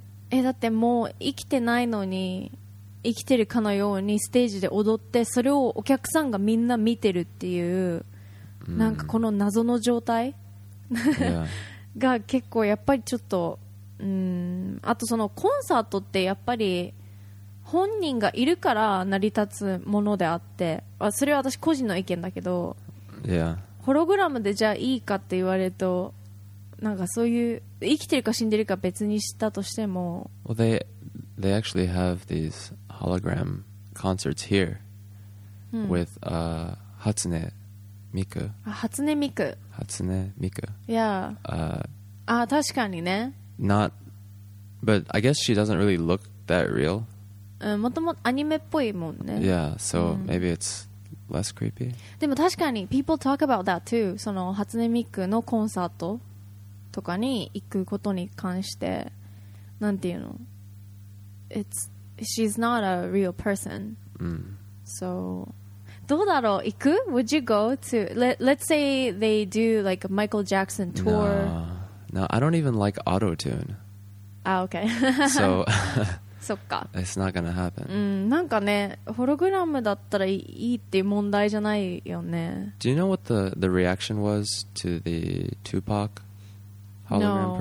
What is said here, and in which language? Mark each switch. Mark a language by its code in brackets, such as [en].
[ja] だってもう生きてないのに、生きてるかのようにステージで踊って、それをお客さんがみんな見てるっていう、なんかこの謎の状態、が結構やっぱりちょっと、あとそのコンサートってやっぱり、本人がいるから成り立つものであって、それは私個人の意見だけど、 [en] Yeah. [ja] ホログラムでじゃあいいかって言われると、なんかそういう生きてるか死んでるか別にしたとしても、 [en] Well, they actually have these hologram concerts here、with Hatsune Miku. Hatsune Miku. Hatsune Miku. [ja] Yeah. 確かにね。 [en] Not, but I guess she doesn't really look that real. [ja] もともとアニメっぽいもんね。 [en] Yeah, so、maybe it'sLess creepy. [ja] でも確かに [en] people talk about that too. [ja] その初音ミクのコンサートとかに行くことに関して、なんていうの、 [en] she's not a real person.、 [ja] So どうだろう、行く？ [en] Would you go to let's say they do like a Michael Jackson tour? No, I don't even like auto-tune. Okay. So. [ja] そっか。 [en] It's not gonna happen. [ja] なんかね、ホログラムだったらいいっていう問題じゃないよね。 [en] Do you know what the reaction was to the Tupac hologram